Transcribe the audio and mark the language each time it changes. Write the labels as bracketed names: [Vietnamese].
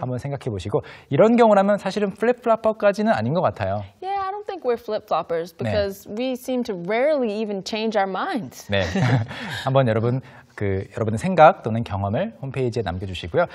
[Korean] 한번 생각해 보시고 이런 경우라면 사실은 플립플랍까지는 아닌 것 같아요. [English] Yeah. I think we're flip-floppers because 네. we seem to rarely even change our minds. [Korean] 네. 한번 여러분 그 여러분의 생각 또는 경험을 홈페이지에 남겨주시고요.